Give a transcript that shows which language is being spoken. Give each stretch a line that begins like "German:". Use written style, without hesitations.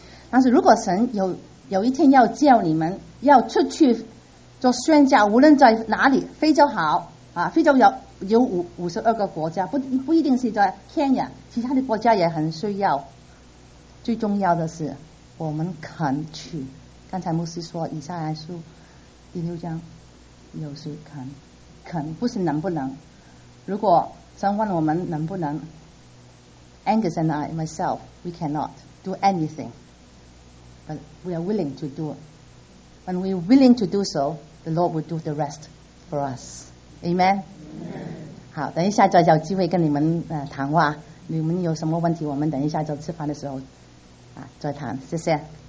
Chinese: 但是如果神有一天要叫你们要出去做宣教，无论在哪里，非洲好非洲有52个国家，不一定是在 Kenya， 其他的国家也很需要。最重要的是我们肯去，刚才牧师说以赛亚书16章，有谁肯，不是能不能。如果神问我们能不能，
English: Angus and I myself we cannot do anything but we are willing to do When we're willing to do so, the Lord will do the rest for us. Amen? Amen.
Chinese: 好，等一下再有机会跟你们谈话，你们有什么问题，我们等一下就吃饭的时候再谈，谢谢。